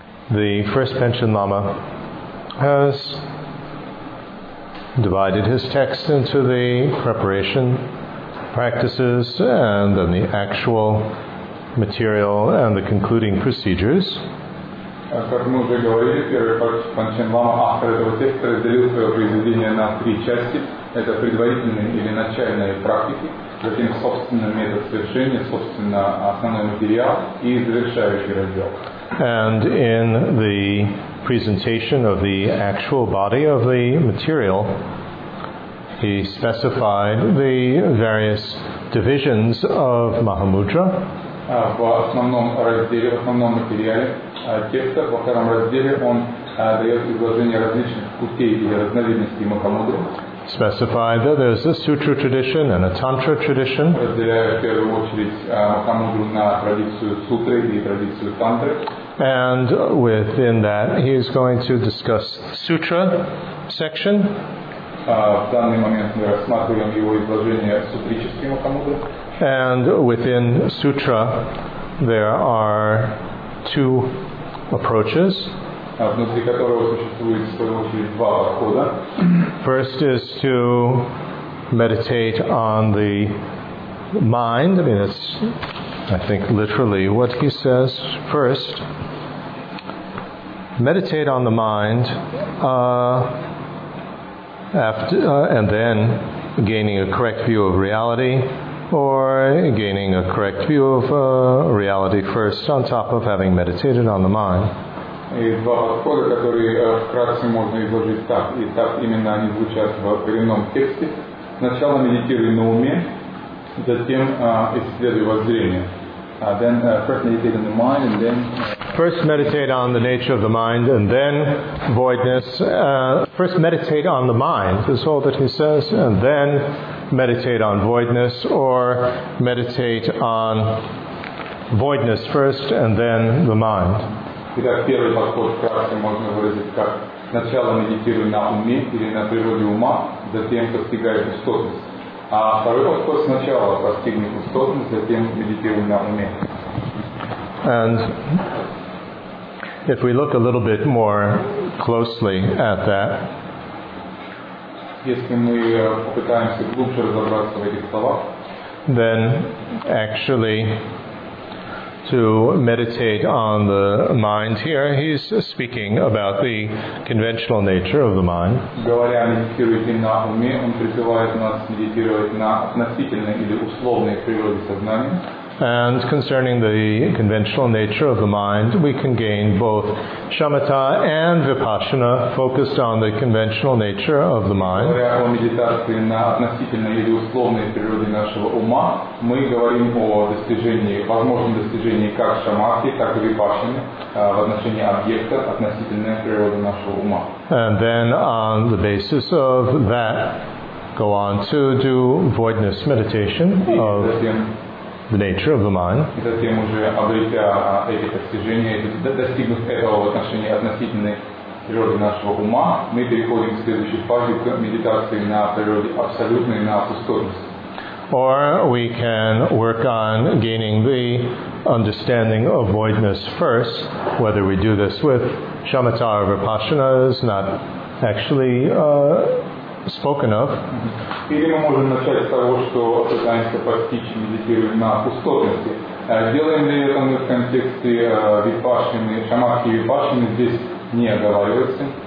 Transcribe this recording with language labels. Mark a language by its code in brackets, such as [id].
[en] the first Panchen Lama has divided his text into the preparation practices and then the actual material and the concluding procedures. [ru] Как мы уже говорили, первый Панчен Лама, автор этого текста, разделил свое произведение на три части. Это предварительные или начальные практики, затем собственный метод совершения, собственно, основной материал и завершающий раздел. [en] And in the presentation of the actual body of the material, he specified the various divisions of Mahamudra. [ru] В основном разделе, в основном материале текста, во втором разделе он дает изложение различных путей или разновидностей Махамудры. [en] Specified that there's a sutra tradition and a tantra tradition. [ru] Разделяя в первую очередь Махамудру на традицию сутры и традицию тантры. [en] And within that, he is going to discuss sutra section. [ru] В данный момент мы рассматриваем его изложение сутрической Махамудры. [en] And within sutra, there are two approaches. [ru] Внутри которого существует, в свою очередь, два подхода. [en] First is to meditate on the mind. I mean, it's, I think, literally what he says. First, meditate on the mind, and then gaining a correct view of reality, or gaining a correct view of reality first on top of having meditated on the mind. [ru] И два подхода, которые вкратце можно изложить так, и так именно они звучат в коренном тексте. Сначала медитируй на уме, затем исследуй воззрение. [en] Then first meditate on the mind, and then... First meditate on the nature of the mind, and then voidness. First meditate on the mind, is all that he says, and then meditate on voidness, or meditate on voidness first, and then the mind. [ru] Итак, первый подход вкратце можно выразить как сначала медитируй на уме или на природе ума, затем постигай пустотность. А второй подход сначала постигни пустотность, затем медитируй на уме. [en] And if we look a little bit more closely at that, [ru] если мы попытаемся глубже разобраться в этих словах, [en] then actually to meditate on the mind here, he's speaking about the conventional nature of the mind. [ru] Говоря о медитировать на уме, он призывает нас медитировать на относительной или условной природе сознания. [en] And concerning the conventional nature of the mind, we can gain both shamatha and vipassana focused on the conventional nature of the mind. [ru] Говоря о медитации на относительной или условной природе нашего ума, мы говорим о достижении, возможном достижении как шамати, так и випашаны в отношении объекта, относительной природы нашего ума. [en] And then on the basis of that, go on to do voidness meditation of the nature of the mind. [ru] И затем уже обретя эти достижения, достигнув этого в отношении относительной природы нашего ума, мы переходим к следующей фазе к медитации на природе абсолютной, на пустотность. [en] Or we can work on gaining the understanding of voidness first. Whether we do this with shamatha or vipassana is not actually spoken of. [ru] Или мы можем начать с того, что пытаемся постичь, медитируя на пустотности. Делаем ли это мы в контексте випашины, шамадхи и випашины, здесь не оговаривается.